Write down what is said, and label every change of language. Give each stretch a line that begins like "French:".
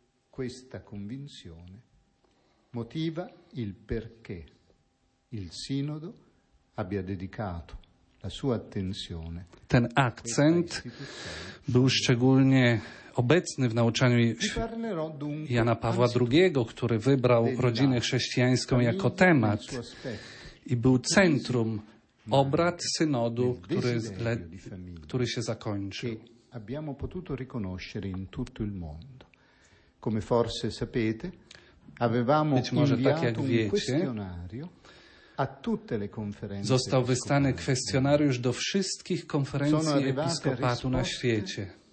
Italian: Questa convinzione motiva il perché il sinodo abbia dedicato la sua attenzione.
Polish: Ten akcent był szczególnie obecny w nauczaniu Jana Pawła II, który wybrał rodzinę chrześcijańską jako temat i był centrum obrad synodu, który się zakończył.
Italian: Abbiamo potuto riconoscere in tutto il mondo. Come forse sapete, avevamo inviato un questionario a tutte le conferenze.
Polish: Został wystany kwestionariusz do wszystkich konferencji episkopatu na świecie.